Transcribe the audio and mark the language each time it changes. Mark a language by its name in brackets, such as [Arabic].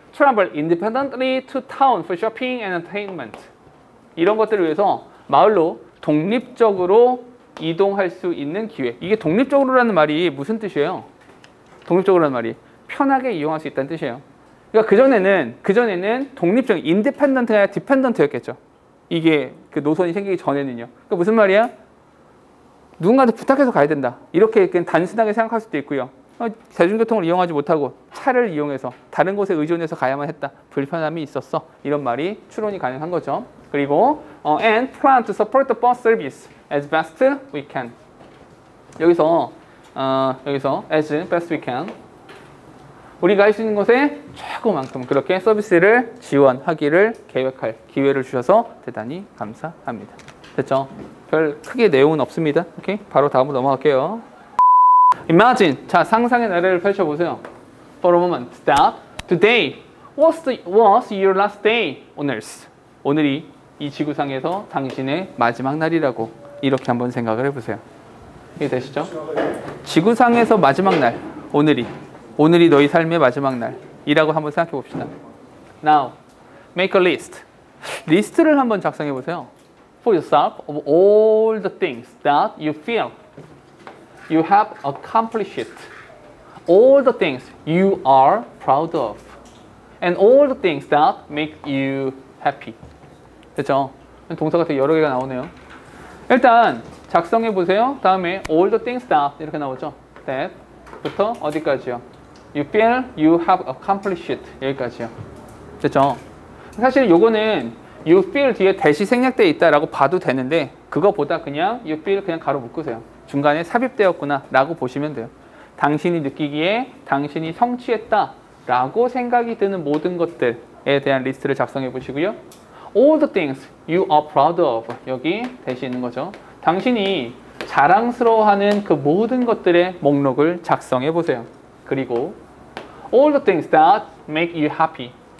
[English] travel independently to town for shopping and entertainment. [Korean] 이런 것들을 위해서 마을로 독립적으로 이동할 수 있는 기회. 이게 독립적으로라는 말이 무슨 뜻이에요? 독립적으로라는 말이 편하게 이용할 수 있다는 뜻이에요. 그러니까 그전에는 독립적, independent가 아니라 dependent였겠죠. 이게 그 노선이 생기기 전에는요. 그러니까 무슨 말이야? 누군가한테 부탁해서 가야 된다. 이렇게 그냥 단순하게 생각할 수도 있고요. 대중교통을 이용하지 못하고 차를 이용해서 다른 곳에 의존해서 가야만 했다. 불편함이 있었어. 이런 말이 추론이 가능한 거죠. 그리고 [English] and plan to support the bus service as best we can. [Korean] 여기서 [English] as best we can. [Korean] 우리가 할 수 있는 곳에 최고만큼 그렇게 서비스를 지원하기를 계획할 기회를 주셔서 대단히 감사합니다. 됐죠? 별 크게 내용은 없습니다. 오케이? 바로 다음으로 넘어갈게요. [English] Imagine. [Korean] 자, 상상의 나래를 펼쳐보세요. [English] For a moment. Stop. Today. What's your last day? [Korean] 오늘이 이 지구상에서 당신의 마지막 날이라고 이렇게 한번 생각을 해보세요. 이해 되시죠? 지구상에서 마지막 날. 오늘이 너희 삶의 마지막 날이라고 한번 생각해 봅시다. [English] Now, make a list. [Korean] 리스트를 한번 작성해 보세요. [English] For yourself of all the things that you feel you have accomplished. All the things you are proud of. And all the things that make you happy. [Korean] 됐죠? 동사가 되게 여러 개가 나오네요. 일단 작성해 보세요. 다음에 [English] all the things that [Korean] 이렇게 나오죠. [English] That부터 [Korean] 어디까지요? [English] You feel you have accomplished [Korean] 여기까지요. 됐죠? 사실 요거는 [English] you feel [Korean] 뒤에 대시 생략되어 있다라고 봐도 되는데 그거보다 그냥 you feel 그냥 가로 묶으세요. 중간에 삽입되었구나 라고 보시면 돼요. 당신이 느끼기에 당신이 성취했다 라고 생각이 드는 모든 것들에 대한 리스트를 작성해 보시고요. [English] All the things you are proud of [Korean] 여기 대시 있는 거죠. 당신이 자랑스러워하는 그 모든 것들의 목록을 작성해 보세요. 그리고 [English] all the things that make you happy.